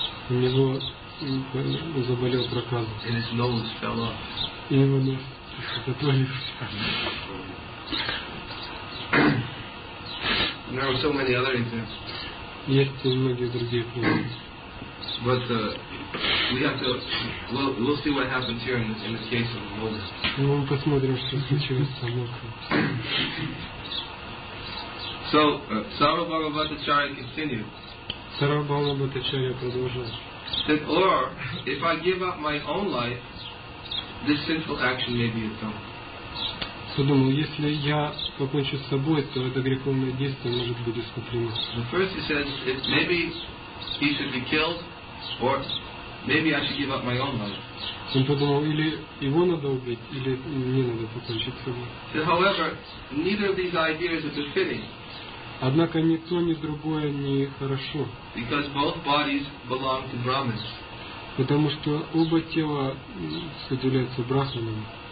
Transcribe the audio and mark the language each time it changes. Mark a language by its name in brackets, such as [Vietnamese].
[Russian] У него заболел проказом. [English] And his nose fell off. [Russian] И его нос отвалился. Есть и многие другие примеры. [English] But we'll see what happens here in the case of Amokha. [Russian] Ну, мы посмотрим, что случилось с Амокхой. [English] So Sāva Bhava Bhattacharya continued. [Russian] Sāva Bhava Bhattacharya продолжил. [English] Said, or if I give up my own life, this sinful action may be atoned. [Russian] Подумал, если я покончу с собой, то это греховное действие может быть искуплено. [English] First he says, maybe he should be killed. Or Maybe I should give up my own life. [Russian] Он подумал, или его надо убить, или мне надо покончить с собой. [English] However, neither of these ideas is befitting. [Russian] Однако ни то, ни другое не хорошо. [English] Because both bodies belong to Brahmas. [Russian] Потому что оба тела соделяются брахманами.